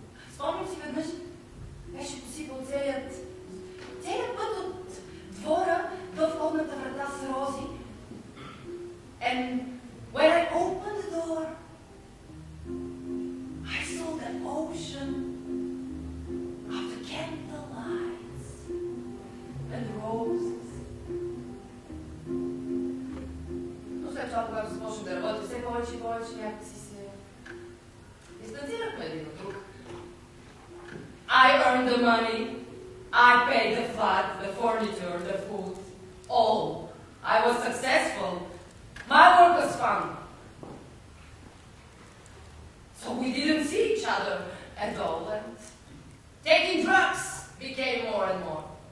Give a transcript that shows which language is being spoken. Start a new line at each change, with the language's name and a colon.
Bulgarian: Вспомните веднъж, беше посипал целият път от двора до входната врата с рози.
English: And when I opened the door, I saw the ocean of the candle lights and roses.
Bulgarian: Но след това, когато започна да работи, все повече и повече някакси се дистанцирахме един от друг.
English: I earned the money, I paid the flat, the furniture, the food, all. I was successful, my work was fun. So we didn't see each other at all, and taking drugs became more and more.